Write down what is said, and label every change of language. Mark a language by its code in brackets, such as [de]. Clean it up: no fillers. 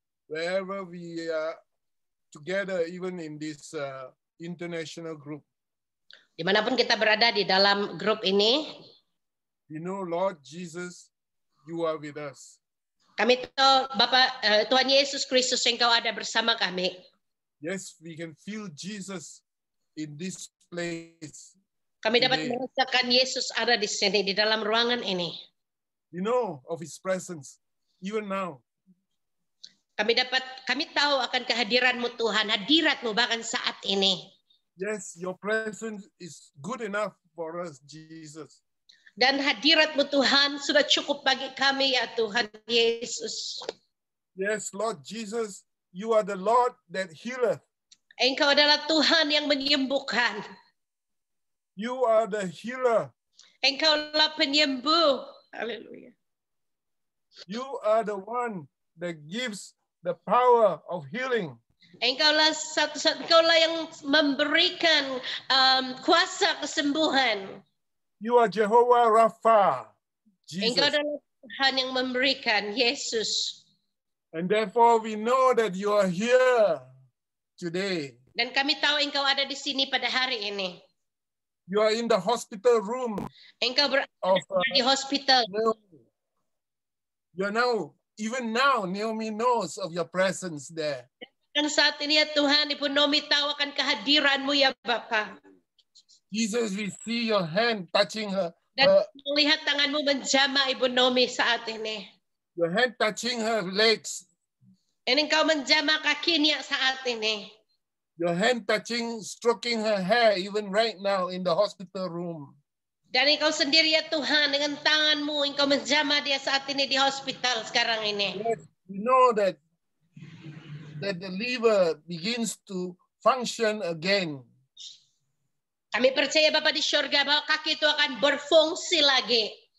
[en] Wherever we are together, even in this international group. [id] Dimanapun kita berada di dalam grup ini. [en] You know, Lord Jesus, you are with us. [id] Kami tahu Bapak Tuhan Yesus Kristus, Engkau ada bersama kami. [en] Yes, we can feel Jesus in this place. [id] Kami dapat merasakan Yesus ada di sini, di dalam ruangan ini. [en] You know of his presence even now. [id] Kami tahu akan kehadiran-Mu Tuhan, hadirat-Mu bahkan saat ini. [en] Yes, your presence is good enough for us, Jesus. [id] Dan hadirat-Mu Tuhan sudah cukup bagi kami, ya Tuhan Yesus. [en] Yes, Lord Jesus, you are the Lord that healeth. [id] Engkau adalah Tuhan yang menyembuhkan. [en] You are the healer. [id] Engkau adalah penyembuh. Hallelujah. [en] You are the one that gives the power of healing. [id] Engkaulah satu-satu, engkaulah yang memberikan kuasa kesembuhan. [en] You are Jehovah Rapha, Jesus. [id] Engkau adalah Tuhan yang memberikan, Yesus. [en] And therefore we know that you are here today. [id] Dan kami tahu engkau ada di sini pada hari ini. [en] You are in the hospital room. [id] Engkau berada di hospital. [en] You are now, even now, Naomi knows of your presence there. [id] Dan saat ini ya Tuhan, Ibu Naomi tahu akan kehadiran-Mu ya Bapa. [en] Jesus, we see your hand touching her. [id] Dan melihat tangan-Mu menjamah Ibu Naomi saat ini. [en] Your hand touching her legs. [id] Dan engkau menjamah kakinya saat ini. [en] Your hand touching, stroking her hair even right now in the hospital room. [id] Dan engkau sendiri ya Tuhan, dengan tangan-Mu engkau menjamah dia saat ini di hospital sekarang ini. [en] We know that the liver begins to function again. [id] Kami percaya Bapa di surga bahwa kaki itu akan berfungsi lagi.